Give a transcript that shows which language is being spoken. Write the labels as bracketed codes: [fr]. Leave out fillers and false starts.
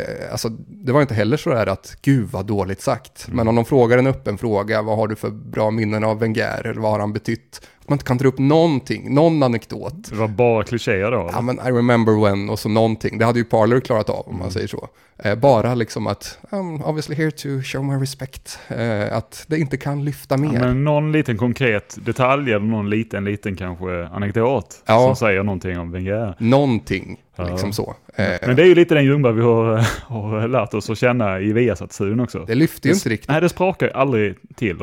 [sv] Alltså, det var inte heller så där att gud vad dåligt sagt. Men om de frågar en öppen fråga, vad har du för bra minnen av Wenger, eller vad har han betytt? Att man inte kan dra upp någonting, någon anekdot. Det var bara klischéer då? Ja, men [en] I remember when, [sv] och så någonting. Det hade ju Parler klarat av, om man säger så. Bara liksom att, [en] I'm obviously here to show my respect. [sv] Att det inte kan lyfta mer. Ja, men någon liten konkret detalj, eller någon liten kanske anekdot, ja, som säger någonting om Wenger. Någonting, ja, liksom så. Men det är ju lite den Ljungberg vi har lärt oss att känna i Viasat-studion också. Det lyfter ju inte riktigt. Nej, det sprakar aldrig till.